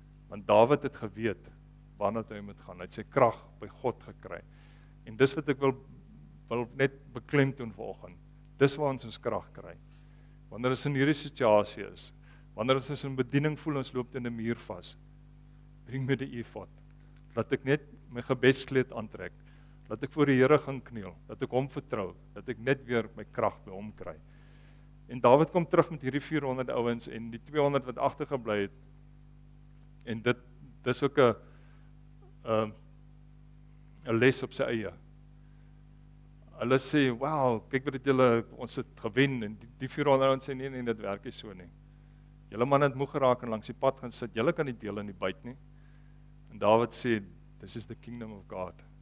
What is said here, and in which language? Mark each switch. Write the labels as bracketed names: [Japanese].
[Afrikaans] Want Dawid het geweet, waarna hy moet gaan. Hy het sy krag by God gekry. En dis wat ek wil net beklemtoon vanoggend. Dis waar ons krag kry. Wanneer ons in hierdie situasie is, wanneer ons in bediening voel, ons loop in 'n muur vas, bring my die ephod, dat ek net my gebedskleed aantrek, dat ek voor die Here gaan kniel, dat ek hom vertrou, dat ek net weer my krag by hom kry. En Dawid kom terug met hierdie 400 ouens en die 200 wat agtergebly het. En dis ook 'n les op sy eie. Hulle sê, "Wow, kyk wat het julle, ons het gewen." En die 400 ouens sê, nee, dit werk nie so nie. Julle man het moeg geraak en langs die pad gaan sit. Julle kan nie deel in die byt nie. En Dawid sê, [English] "This is the kingdom of God."